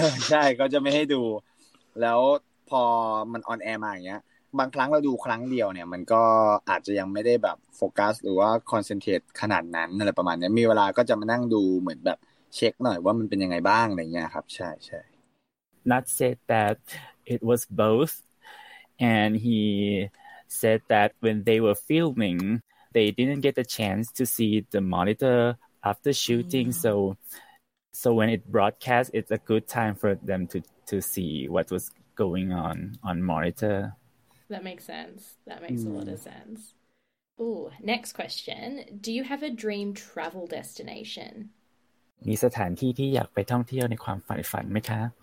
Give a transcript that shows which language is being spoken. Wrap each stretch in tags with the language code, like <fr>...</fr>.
<th>ใช่ก็จะไม่ให้ดูแล้วพอมันออนแอร์มาอย่างเงี้ยบางครั้งเราดูครั้งเดียวเนี่ยมันก็อาจจะยังไม่ได้แบบโฟกัสหรือว่าคอนเซนเทรตขนาดนั้นอะไรประมาณนี้มีเวลาก็จะมานั่งดูเหมือนแบบเช็คหน่อยว่ามันเป็นยังไงบ้างอะไรเงี้ยครับใช่</th> <en>ๆ Not said that it was both and he said that when they were filming they didn't get the chance to see the monitor after shooting so when it broadcast it's a good time for them to see what was going on monitor. That makes sense. That makes a lot of sense. Ooh, next question. Do you have a dream travel destination?</en> <th>มีสถานที่ที่อยากไปท่องเที่ยวในความฝันไหมคะ</th>